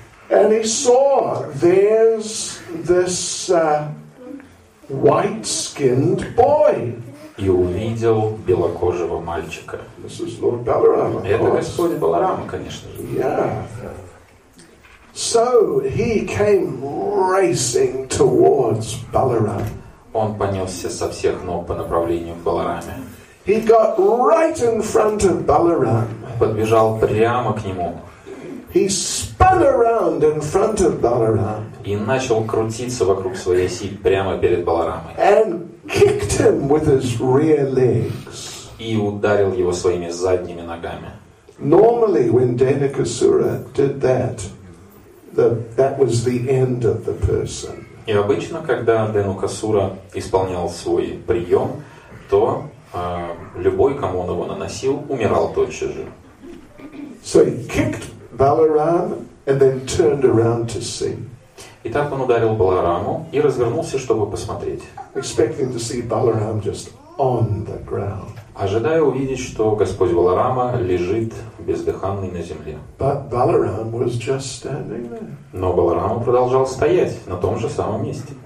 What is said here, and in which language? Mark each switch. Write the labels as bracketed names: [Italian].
[English] And he saw there's this white-skinned boy. [Russian] И увидел белокожего мальчика. [English] This is Lord Balaram, of course. [Russian] Это господин Баларама, конечно же. [English] Yeah. So he came racing towards Balaram. [Russian] Он понесся со всех ног по направлению к Балараме. [English] He got right in front of Balaram. [Russian] Подбежал прямо к нему. [English] He spun around in front of Balaram. [Russian] И начал крутиться вокруг своей оси прямо перед Баларамой. [English] And kicked him with his rear legs. [Russian] И ударил его своими задними ногами. [English] Normally, when Deinakasura did that, that was the end of the person. [Russian] И обычно, когда Deinakasura исполнял свой прием, то любой, кому он его наносил, умирал тотчас же. [English] So he kicked Balaram and then turned around to see. [Russian] И так он ударил Балараму и развернулся, чтобы посмотреть. [English] Expecting to see Balaram just on the ground. [Russian] Ожидая увидеть, что Господь Баларама лежит бездыханный на земле. [English] But Balaram was just standing there. [Russian] Но Баларама продолжал стоять на том же самом месте.